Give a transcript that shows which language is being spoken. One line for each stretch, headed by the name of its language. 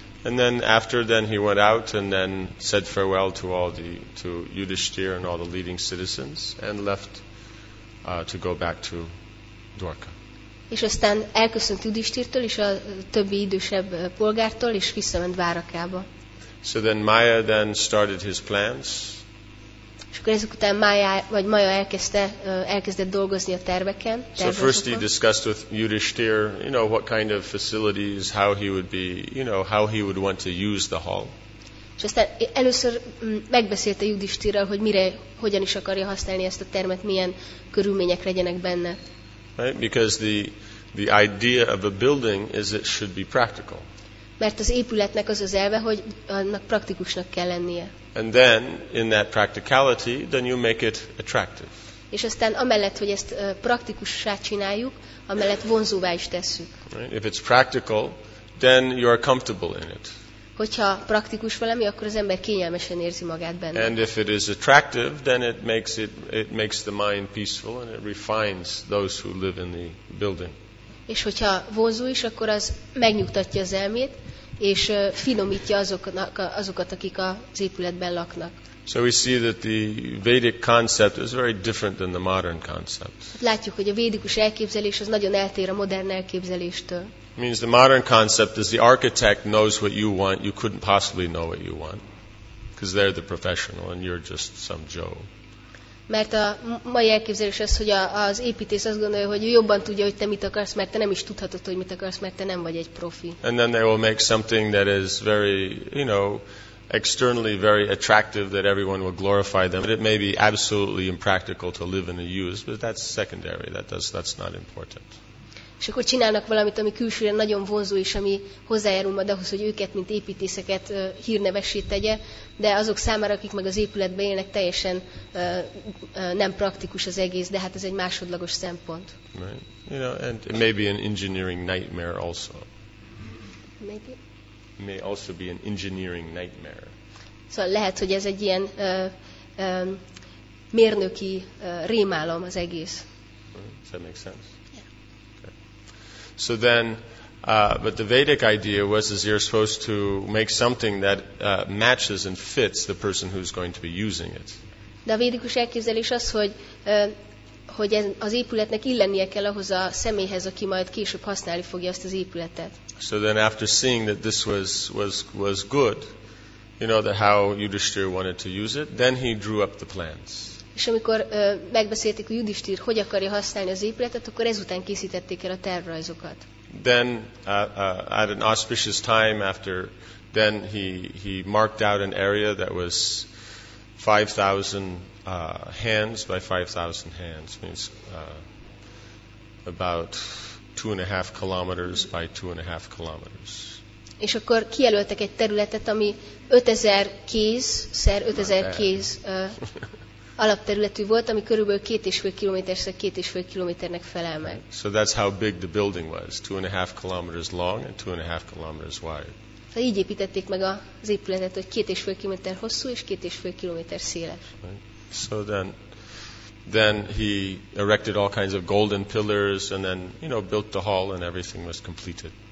English: And then after then he went out and then said farewell to all to Yudhishthir and all the leading citizens and left to go back to Dwarka.
Hungarian: És aztán elköszönt Yudhishthirtől és a többi idősebb polgártól és visszament Dwarakába.
English: So then Maya then started his plans.
Hungarian: És akkor ezek után Maya elkezdett dolgozni a terveken.
English: So first he discussed with Yudhishthir, you know, what kind of facilities, how he would be, you know, how he would want to use the hall.
Hungarian: És aztán először megbeszélte Yudhishthirral, hogy mire, hogyan is akarja használni ezt a termet, milyen körülmények legyenek benne.
English: Right? Because the idea of a building is it should be practical.
Hungarian: Mert az épületnek az az elve, hogy annak praktikusnak kell lennie.
English: And then, in that practicality, then you make it attractive.
Hungarian: És aztán amellett, hogy ezt praktikussá csináljuk, amellett vonzóvá is tesszük.
English: If it's practical, then you are comfortable in it.
Hungarian: Hogyha praktikus valami, akkor az ember kényelmesen érzi magát benne.
English: And if it is attractive, then it makes the mind peaceful and it refines those who live in the building.
Hungarian: És hogyha vonzó is, akkor az megnyugtatja az elmét, és finomítja azokat, akik az épületben laknak.
English: So we see that the Vedic concept is very different than the modern concept.
Hungarian: Látjuk, hogy a védikus elképzelés az nagyon eltér a modern elképzeléstől.
English: Means the modern concept is the architect knows what you want, you couldn't possibly know what you want. Because they're the professional and you're just some Joe.
Hungarian: Mert a mai elképzelés az, hogy az építész azt gondolja, hogy jobban tudja, hogy te mit akarsz, mert te nem is tudhatod, hogy mit akarsz, mert te nem vagy egy profi.
English: And then they will make something that is very, you know, externally very attractive that everyone will glorify them, but it may be absolutely impractical to live in a use, but that's secondary, that's not important.
Hungarian: És akkor csinálnak valamit, ami külsőre nagyon vonzó, és ami hozzájárul majd ahhoz, hogy őket, mint építészeket hírnevessé tegye, de azok számára, akik meg az épületben élnek, teljesen nem praktikus az egész, de hát ez egy másodlagos szempont.
English: Right. You know, and it may be an engineering nightmare also. Maybe. It may also be an engineering nightmare.
Hungarian: Szóval lehet, hogy ez egy ilyen mérnöki rémálom az egész.
English: Does that make sense? So then, but the Vedic idea was is you're supposed to make something that matches and fits the person who's going to be using it.
Hungarian: De a védikus elképzelés az, hogy hogy az épületnek illennie kell ahhoz a személyhez, aki majd később használni fogja azt az épületet.
English: So then, after seeing that this was good, you know, that how Yudhishthira wanted to use it, then he drew up the plans.
Hungarian: És amikor megbeszélték, hogy Yudhishthira hogy akarja használni az épületet, akkor ezután készítették el a tervrajzokat.
English: Then at an auspicious time after, then he marked out an area that was 5,000 hands by 5,000 hands, means about 2.5 kilometers by 2.5 kilometers.
Hungarian: És akkor kijelöltek egy területet, ami 5000 kéz szer 5000 kéz alapterületű volt, ami körülbelül 2,5 kilométer szer 2,5 kilométernek felel meg.
English: So that's how big the building was, 2.5 kilometers long and 2.5 kilometers wide.
Hungarian: Tehát így építették meg az épületet, hogy 2,5 kilométer hosszú és 2,5 kilométer széles.
English: Right. So then he erected all kinds of golden pillars and then, you know, built the hall and everything was completed.